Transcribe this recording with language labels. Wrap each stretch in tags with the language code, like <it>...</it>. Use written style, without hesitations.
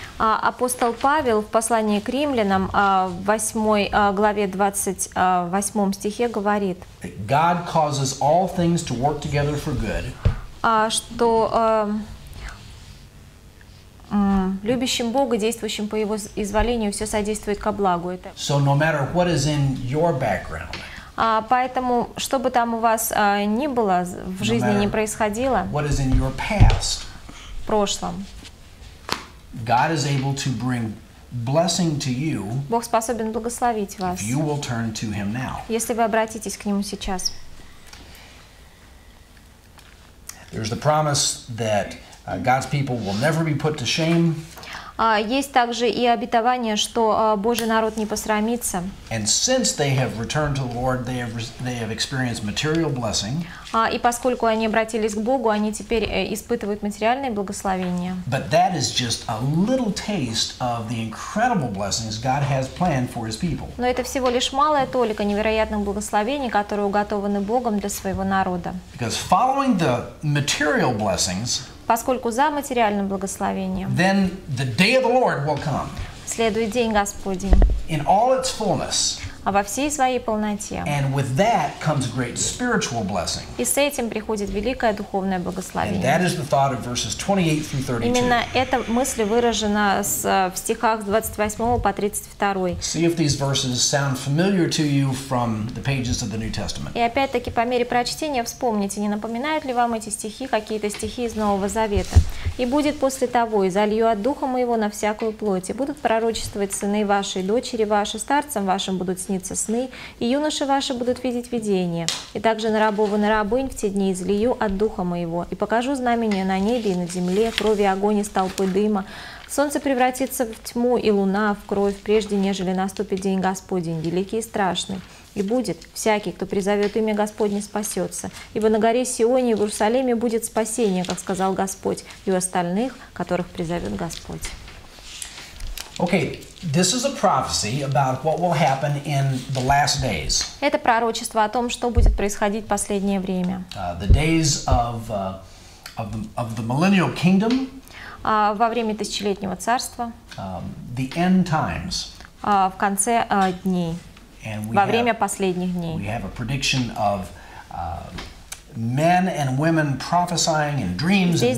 <ru>Апостол Павел в послании к римлянам, в 8 главе 28 стихе говорит,</ru> <en>God causes all things to work together for good.</en> <ru>Что любящим Бога, действующим по Его изволению, все содействует ко благу.</ru> <en>So no matter what is in your background,</en> <ru>поэтому, что бы там у вас ни было, в жизни не происходило,</ru> <en>what is in your past,</en> <ru>в прошлом,</ru> <en>God is able to bring blessing to you.</en> <ru>Бог способен благословить вас.</ru> <en>If you will turn to Him now.</en> <ru>Если вы обратитесь к Нему сейчас.</ru> <en>There's the promise that God's people will never be put to shame.</en> <ru>Есть также и обетование, что Божий народ не посрамится.</ru> <en>And since they have returned to the Lord, they have experienced material blessing.</en> <ru>И поскольку они обратились к Богу, они теперь испытывают материальные благословения.</ru> <en>But that is just a little taste of the incredible blessings God has planned for His people.</en> <ru>Но это всего лишь малая толика невероятных благословений, которые уготованы Богом для своего народа.</ru> <en>Because following the material blessings.</en> <ru>Поскольку за материальным благословением.</ru> <en>Then the day of the Lord will come.</en> <ru>Следует день Господень.</ru> <en>In all its fullness.</en> <ru>А во всей своей полноте.</ru> <en>And with that comes great spiritual blessing.</en> <ru>И с этим приходит великое духовное благословение.</ru> <en>And that is the thought of verses 28 through 32.</en> <ru>Именно эта мысль выражена в стихах 28 по 32.</ru> <en>See if these verses sound familiar to you from the pages of the New Testament.</en> <ru>И опять-таки по мере прочтения вспомните, не напоминают ли вам эти стихи какие-то стихи из Нового Завета. И будет после того, и залью от Духа Моего на всякую плоть, и будут пророчествовать сыны ваши, дочери ваши, старцам вашим будут снится сны, и юноши ваши будут видеть видение. И также на рабов и на рабынь в те дни излию от Духа Моего, и покажу знамения на небе и на земле, крови, огонь и столпы дыма. Солнце превратится в тьму, и луна в кровь, прежде нежели наступит день Господень, великий и страшный. И будет всякий, кто призовет имя Господне, спасется. Ибо на горе Сионе и в Иерусалиме будет спасение, как сказал Господь, и у остальных, которых призовет Господь.</ru> <en>Okay, this is a prophecy about what will happen in the last days.</en> <ru>Это пророчество о том, что будет происходить в последнее время.</ru> <en>The days of the millennial kingdom.</en> <ru>Во время тысячелетнего царства.</ru> <en>The end times.</en> <ru>В конце дней.</ru> <en>And</en> <ru>во время последних дней.</ru> <en>We have a prediction of men and women prophesying in dreams and visions.</en>